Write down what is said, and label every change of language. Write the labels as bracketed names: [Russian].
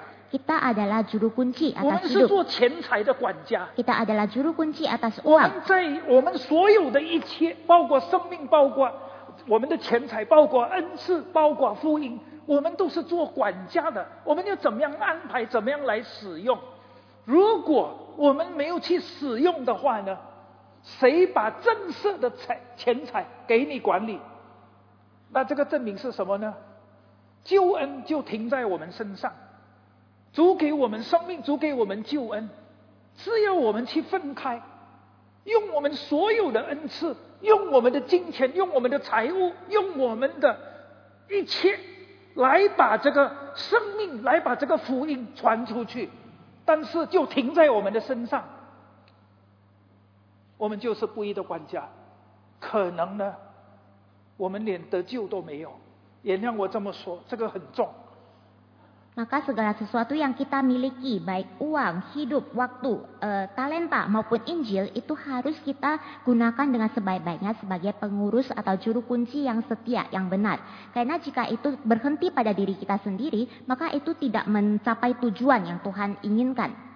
[Indonesian] Kita adalah juru kunci atas hidup. Kita adalah juru kunci atas uang. Kita adalah juru kunci atas uang. [Chinese] 我们的钱财包括恩赐，包括福音，我们都是做管家的，我们要怎么样安排，怎么样来使用。如果我们没有去使用的话呢，谁把正式的钱财给你管理？那这个证明是什么呢？救恩就停在我们身上，主给我们生命，主给我们救恩，只要我们去分开，用我们所有的恩赐，用我们的金钱，用我们的财物，用我们的一切来把这个生命，来把这个福音传出去，但是就停在我们的身上，我们就是不义的管家。可能呢，我们连得救都没有，原谅我这么说，这个很重。 [Indonesian] Maka segala sesuatu yang kita miliki, baik uang, hidup, waktu, talenta maupun Injil, itu harus kita gunakan dengan sebaik-baiknya sebagai pengurus atau juru kunci yang setia, yang benar. Karena jika itu berhenti pada diri kita sendiri, maka itu tidak mencapai tujuan yang Tuhan inginkan.